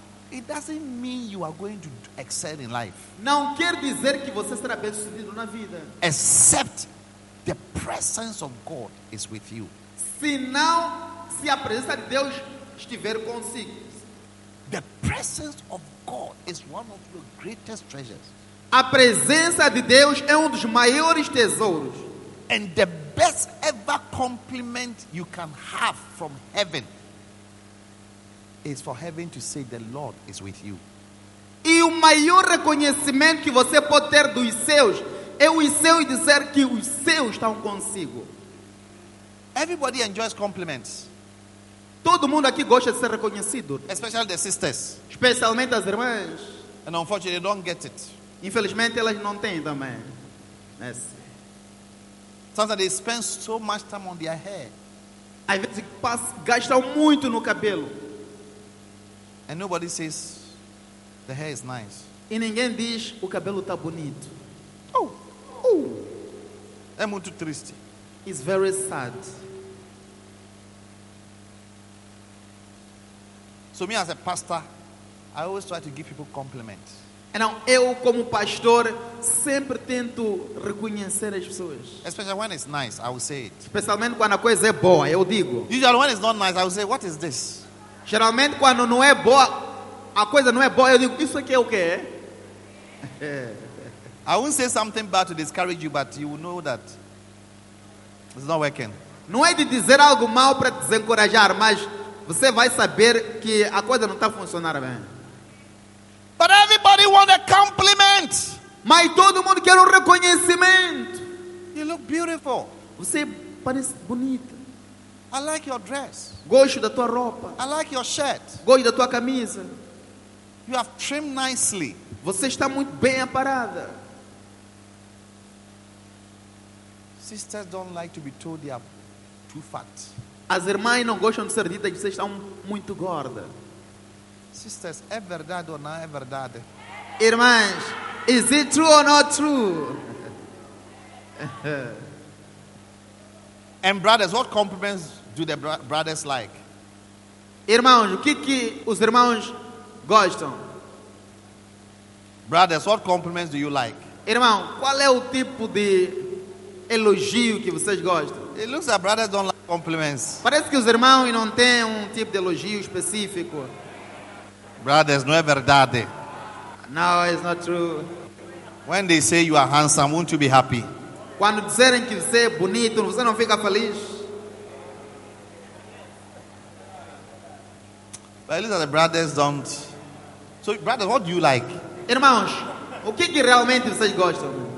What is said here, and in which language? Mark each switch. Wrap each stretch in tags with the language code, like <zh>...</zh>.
<en>It doesn't mean you are going to excel in life.</en> <pt>Não quer dizer que você será bem sucedido na vida.</pt> <en>Except the presence of God is with you.</en> <pt>Senão, se a presença de Deus estiver consigo.</pt> <en>The presence of God is one of your greatest treasures.</en> <pt>A presença de Deus é dos maiores tesouros.</pt> <en>And the best ever compliment you can have from heaven is for heaven to say the Lord is with you.</en> <pt>E o maior reconhecimento que você pode ter dos céus é os céus dizer que os céus estão consigo.</pt> <en>Everybody enjoys compliments.</en> <pt>Todo mundo aqui gosta de ser reconhecido.</pt> <en>Especially the sisters.</en> <pt>Especialmente as irmãs.</pt> <en>And unfortunately, they don't get it.</en> <pt>Infelizmente, elas não têm também.</pt> <en>Yes. Sometimes they spend so much time on their hair.</en> <pt>Às vezes gastam muito no cabelo.</pt> <en>And nobody says the hair is nice.</en> <pt>E ninguém diz o cabelo está bonito. Oh. É muito triste.</pt> <en>It's very sad. So me as a pastor, I always try to give people compliments. And now,</en> <pt>eu como pastor sempre tento reconhecer as pessoas.</pt> <en>Especially when it's nice, I will say it.</en> <pt>Especialmente quando a coisa é boa, eu digo.</pt> <en>Usually when it's not nice, I will say, what is this?</en> <pt>Geralmente quando não é boa, a coisa não é boa, eu digo, isso aqui é o quê?</pt> <en>I won't say something bad to discourage you, but you will know that it's not working.</en> <pt>Não é de dizer algo mal para desencorajar, mas você vai saber que a coisa não está funcionando bem.</pt> <en>But everybody wants a compliment.</en> <pt>Mas todo mundo quer reconhecimento.</pt> <en>You look beautiful.</en> <pt>Você parece bonito.</pt> <en>I like your dress.</en> <pt>Gosto da tua roupa.</pt> <en>I like your shirt.</en> <pt>Gosto da tua camisa.</pt> <en>You have trimmed nicely.</en> <pt>Você está muito bem aparada.</pt> <en>Sisters don't like to be told they are too fat.</en> <pt>As irmãs não gostam de ser ditas que vocês estão muito gordas.</pt> <en>Sisters,</en> <pt>é verdade ou não é verdade? Irmãs,</pt> <en>is it true or not true? And brothers, what compliments do the brothers like?</en> <pt>Irmãos, o que os irmãos gostam?</pt> <en>Brothers, what compliments do you like?</en> <pt>Irmão, qual é o tipo de elogio que vocês gostam?</pt> <en>It looks like brothers don't like compliments.</en> <pt>Parece que os irmãos não têm tipo de elogio específico.</pt> <en>Brothers,</en> <pt>não é verdade.</pt> <en>No, it's not true. When they say you are handsome, won't you be happy?</en> <pt>Quando disserem que você é bonito, você não fica feliz?</pt> <en>But at least the brothers don't. So, brothers, what do you like?</en> <pt>Irmãos, o que realmente vocês gostam?</pt>